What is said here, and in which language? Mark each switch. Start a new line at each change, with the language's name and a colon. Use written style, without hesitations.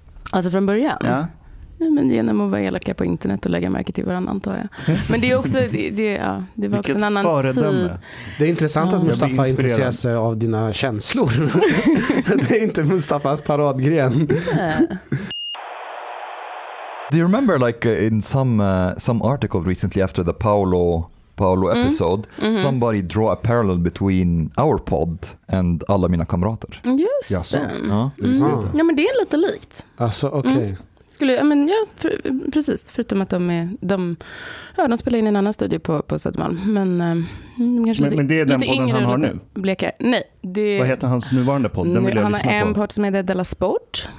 Swedish: Alltså från början? Ja. Nej, men genom att vara elaka på internet och lägga märke till varandra, antar jag. Men det är också det var också en annan föredöme. Tid. Det är intressant att Mustafa intresserar sig av dina känslor. Det är inte Mustafas paradgren.
English: Do you remember like in some article recently after the Paolo episode, mm-hmm, somebody draw a parallel between our pod and Alla mina kamrater?
Swedish: Just ja, så. Ja, mm. Ja, men det är lite likt. Alltså, okej. Okay. Mm. Skulle, ja, men ja, precis, förutom att de spelar in en annan studio på Södermalm, men kanske men det är den podden han har nu. Blekare. Nej, det, vad heter hans nuvarande podd? Den vill han jag har en podd som heter Della Sport.